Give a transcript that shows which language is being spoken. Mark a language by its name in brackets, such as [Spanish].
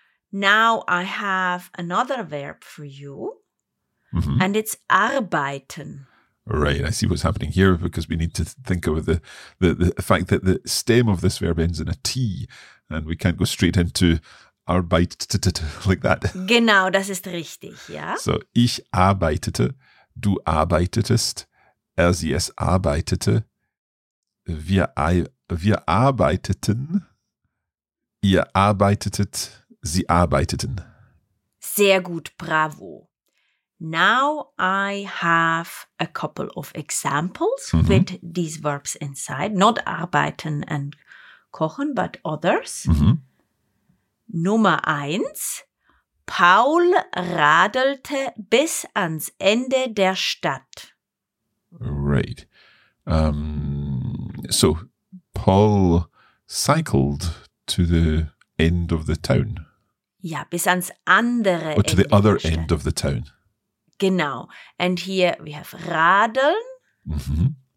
[English] Now I have another verb for you. And it's arbeiten. Right, I see what's happening here because we need to think of the fact that the stem of this verb ends in a T and we can't go straight into arbeitete like that. [German] Genau, das ist richtig, ja. So, ich arbeitete, du arbeitetest, sie es arbeitete, wir arbeiteten, ihr arbeitetet, sie arbeiteten. Sehr gut, bravo. [English] Now I have a couple of examples with these verbs inside, not arbeiten and kochen, but others. [German] Nummer eins, Paul radelte bis ans Ende der Stadt. [English] Right. So Paul cycled to the end of the town. [German] Ja, bis ans andere [English] Ende. Or to the other end of the town. Genau. And here we have radeln.